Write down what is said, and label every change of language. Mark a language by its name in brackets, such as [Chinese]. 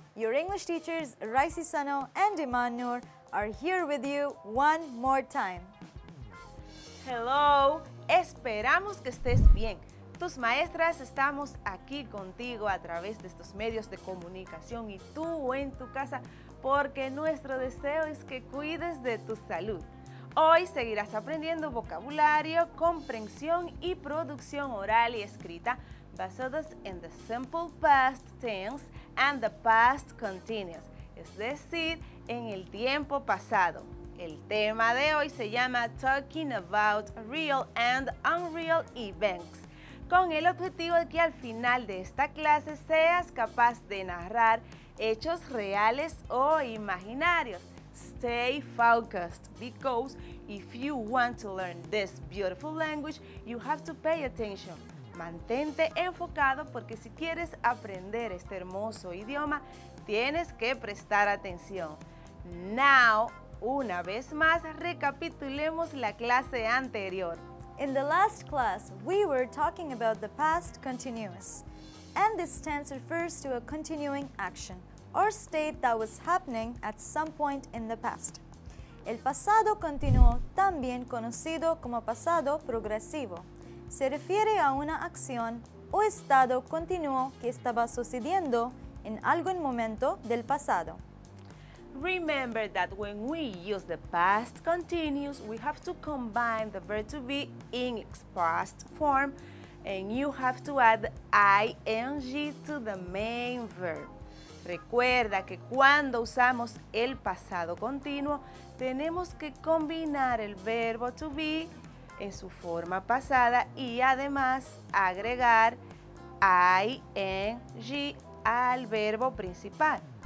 [English] Your English teachers, Raisi Sano and Iman Noor, are here with you one more time. [Spanish] Hello! Esperamos que estés bien. Tus maestras estamos aquí contigo a través de estos medios de comunicación y tú en tu casa porque nuestro deseo es que cuides de tu salud. Hoy seguirás aprendiendo vocabulario, comprensión y producción oral y escrita basados en [English] the simple past tense and the past continuous, [Spanish] es decir, en el tiempo pasado. El tema de hoy se llama [English] Talking About Real and Unreal Events, [Spanish] con el objetivo de que al final de esta clase seas capaz de narrar hechos reales o imaginarios. [English] Stay focused, because if you want to learn this beautiful language, you have to pay attention. [Spanish] Mantente enfocado, porque si quieres aprender este hermoso idioma, tienes que prestar atención. Now, una vez más, recapitulemos la clase anterior. [English] In the last class, we were talking about the past continuous, and this tense refers to a continuing action or state that was happening at some point in the past. [Spanish] El pasado continuo, también conocido como pasado progresivo, se refiere a una acción o estado continuo que estaba sucediendo en algún momento del pasado. [English] Remember that when we use the past continuous, we have to combine the verb to be in its past form, and you have to add ing to the main verb. [Spanish] Recuerda que cuando usamos el pasado continuo, tenemos que combinar el verbo to be en su forma pasada y además agregar ing al verbo principal.